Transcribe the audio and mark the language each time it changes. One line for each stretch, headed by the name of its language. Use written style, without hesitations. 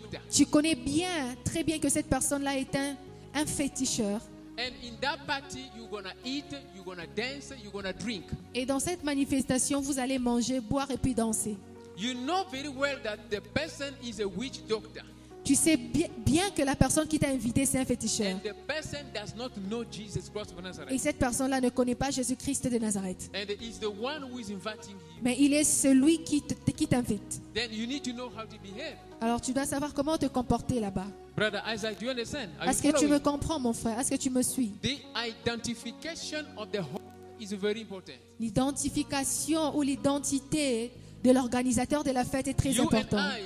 French: Tu connais bien, très bien que cette personne-là est un féticheur.
English: And in that party, you're gonna eat, you're gonna dance, you're gonna drink.
French: Et dans cette manifestation, vous allez manger, boire et puis danser.
English: You know very well that the person is a witch doctor.
French: Tu sais bien que la personne qui t'a invité, c'est un féticheur.
English: And the person does not know Jesus Christ of Nazareth.
French: Et cette personne-là ne connaît pas Jésus-Christ de Nazareth.
English: And he's the one who is inviting you.
French: Mais il est celui qui t'invite.
English: Then you need to know how to behave.
French: Alors tu dois savoir comment te comporter là-bas.
English: Brother Isaac, do you understand?
French: Est-ce que tu me comprends, mon frère? Est-ce que tu me suis?
English: The identification of the host is very important.
French: L'identification ou l'identité de l'organisateur de la fête est très important.